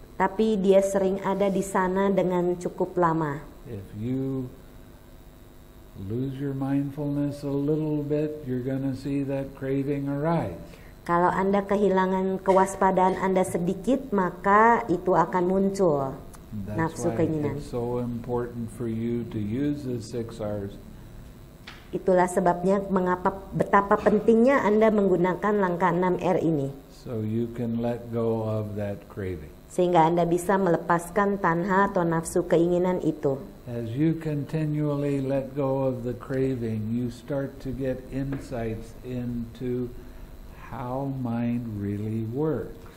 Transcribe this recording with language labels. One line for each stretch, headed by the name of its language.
Indonesian: Tapi dia sering ada di sana dengan cukup lama.
English: If you lose your mindfulness a little bit, you're going to see that craving arise.
Indonesian: Kalau Anda kehilangan kewaspadaan Anda sedikit, maka itu akan muncul nafsu keinginan.
English: It's so important for you to use the six R's.
Indonesian: Itulah sebabnya mengapa betapa pentingnya Anda menggunakan langkah 6 R ini.
English: So you can let go of that craving.
Indonesian: Sehingga Anda bisa melepaskan tanha atau nafsu keinginan itu.
English: As you continually let go of the craving, you start to get insights into how mind really works.